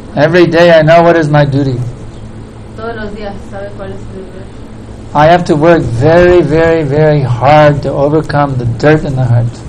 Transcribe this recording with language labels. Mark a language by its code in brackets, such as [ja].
[en] Every day I know what is my duty. [es] Todos los días sabe cuál es su deber. [en] I have to work very, very, very hard to overcome the dirt in the heart.